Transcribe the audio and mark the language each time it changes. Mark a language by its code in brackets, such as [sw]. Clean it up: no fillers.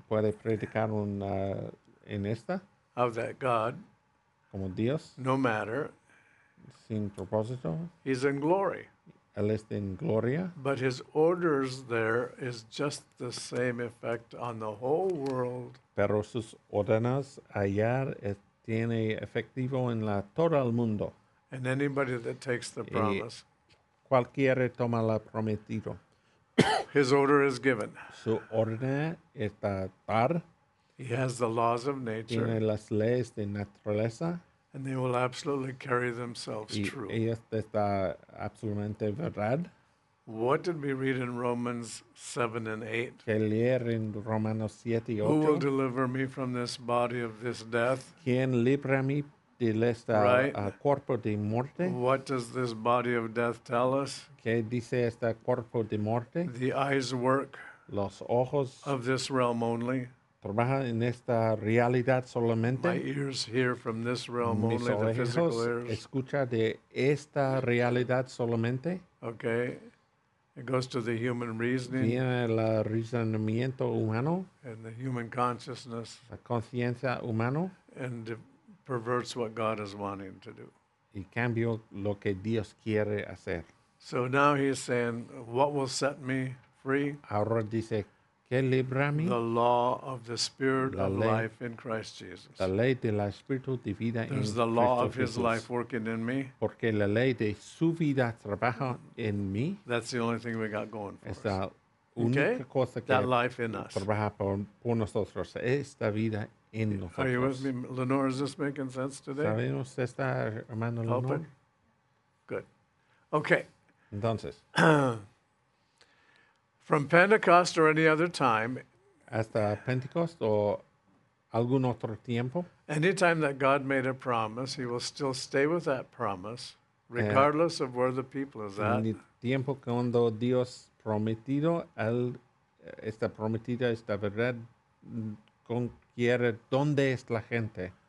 [es] ¿Puede predicar un, en esta? [en] Of that God. [es] Como Dios. [en] No matter. [es] Sin propósito. [en] He's in glory. [es] Él está en gloria. [en] But his orders there is just the same effect on the whole world. [es] Pero sus órdenes allá tiene efectivo en la todo el mundo. [en] And anybody that takes the promise. [es] Cualquiera toma la prometido. [en] His order is given. [es] Su orden está dar. [en] He has the laws of nature. [es] Tiene las leyes de naturaleza. [en] And they will absolutely carry themselves true. [es] Y esto está absolutamente verdad. [en] What did we read in Romans 7 and 8? [es] ¿Qué leer en Romanos 7 y 8? [en] Who will deliver me from this body of this death? [es] ¿Quién libra mí de este cuerpo de muerte? [en] What does this body of death tell us? [es] ¿Qué dice este cuerpo de muerte? [en] The eyes work. [es] Los ojos. [en] Of this realm only. [es] Trabaja en esta realidad solamente. [en] My ears hear from this realm [es] Mis [en] only the physical ears. [es] Escucha de esta realidad solamente. [en] Okay. It goes to the human reasoning. [es] Viene el razonamiento humano. [en] And the human consciousness. [es] La conciencia humana. [en] And perverts what God is wanting to do. [es] Y cambia lo que Dios quiere hacer. [en] So now he's saying, what will set me free? [es] Ahora dice, ¿qué libra mí? [en] The law of the spirit of life in Christ Jesus. [es] La ley de la espíritu de vida en Cristo Jesús. [en] There's the law of his life working in me. [es] Porque la ley de su vida trabaja en mí. [en] That's the only thing we got going for [es] us. Esta única cosa que [en] that life in us. [es] Trabaja por nosotros. Esta vida en nosotros. [en] Are you with me, Lenore? Is this making sense today? [es] ¿Sabemos esta, hermano Lenore? [en] Good. Okay. [es] Entonces, [en] from Pentecost or any other time, [es] hasta Pentecost o algún otro tiempo, [en] any time that God made a promise, he will still stay with that promise, regardless of where the people is at. [es] En el tiempo cuando Dios prometido, él está prometida esta verdad con quiera donde es la gente.